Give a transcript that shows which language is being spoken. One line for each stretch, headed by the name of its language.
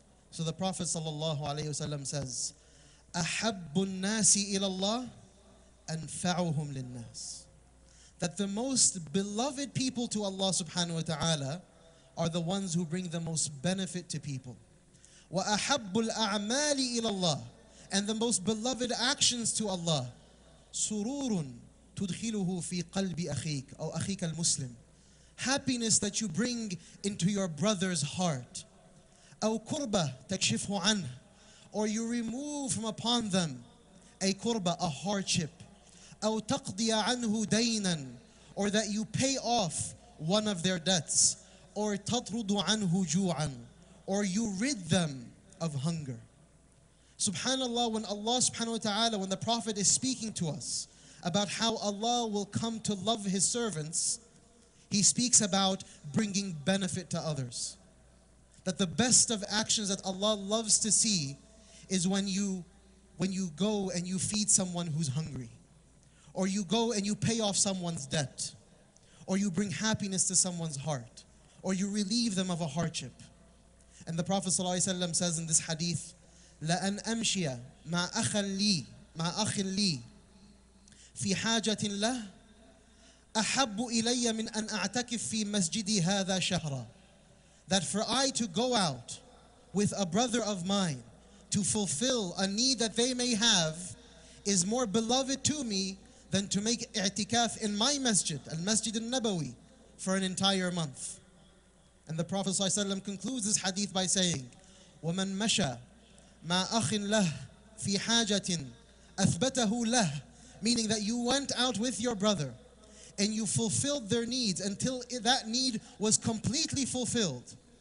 English: So the Prophet sallallahu alayhi wa sallam says,
Arabic: أَحَبُّ النَّاسِ إِلَى اللَّهِ أَنْفَعُهُمْ لِلنَّاسِ.
English: That the most beloved people to Allah subhanahu wa ta'ala are the ones who bring the most benefit to people.
Arabic: وَأَحَبُّ الْأَعْمَالِ إِلَى اللَّهِ.
English: And the most beloved actions to Allah,
Arabic: سُرُورٌ تُدْخِلُهُ فِي قَلْبِ أَخِيكَ أو أَخِيكَ الْمُسْلِمِ.
English: Happiness that you bring into your brother's heart.
Arabic: أَوْ كُرْبَ تَكْشِفْهُ عَنْهُ.
English: Or you remove from upon them a kurba, a hardship.
Arabic: أو تقضي عنه دينا,
English: or that you pay off one of their debts, or
Arabic: تطرد عنه جوعا,
English: or you rid them of hunger. Subhanallah, when Allah subhanahu wa ta'ala, when the Prophet is speaking to us about how Allah will come to love his servants, he speaks about bringing benefit to others. That the best of actions that Allah loves to see is when you go and you feed someone who's hungry, or you go and you pay off someone's debt, or you bring happiness to someone's heart, or you relieve them of a hardship. And the Prophet ﷺ says in this hadith,
Arabic: لَأَنْ أَمْشِيَ مَعَ أَخٍ لِي في حاجة له أحب إلي من أن أعتكف في مسجدي هذا شهرا.
English: That for I to go out with a brother of mine to fulfill a need that they may have is more beloved to me than to make i'tikaf in my masjid, al-masjid al-Nabawi, for an entire month. And the Prophet ﷺ concludes this hadith by saying,
Arabic: وَمَنْ مَشَى مَا أَخٍ لَهُ فِي حَاجَةٍ أَثْبَتَهُ
English: لَهُ, meaning that you went out with your brother and you fulfilled their needs until that need was completely fulfilled.